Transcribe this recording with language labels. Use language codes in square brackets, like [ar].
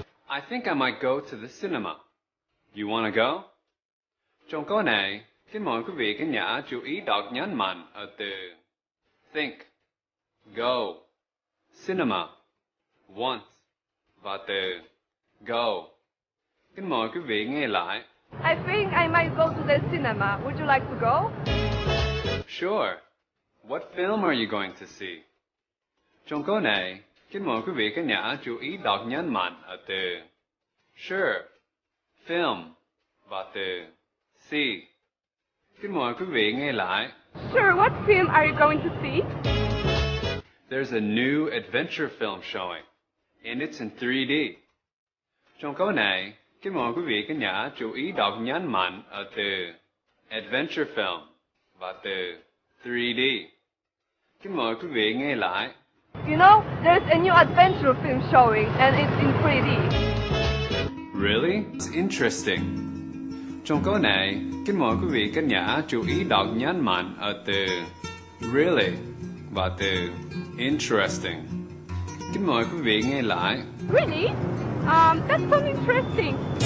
[en] I think I might go to the cinema. You want to go? [vi] Trong câu này, kính mời quý vị khán giả chú ý đọc nhấn mạnh ở từ think, go, cinema, want, và từ go. Kính mời quý vị nghe lại. [en] I think I might go to the cinema. Would you like to go? Sure. What film are you going to see? [vi] Trong câu này, kính mời quý vị khán giả chú ý đọc nhấn mạnh ở từ sure, film, và từ see. Kính mời quý vị nghe lại. [en] Sure, what film are you going to see? There's a new adventure film showing, and it's in 3D. [vi] Trong câu này, kính mời quý vị khán giả chú ý đọc nhấn mạnh ở từ adventure film và từ 3D. Kính mời quý vị nghe lại. [en] You know, there's a new adventure film showing, and it's in 3D. Really? It's interesting. [vi] Trong câu này, kính mời quý vị khán giả chú ý đọc nhấn mạnh ở từ really và từ interesting. Kính mời quý vị nghe lại. [en] Really? That's so interesting.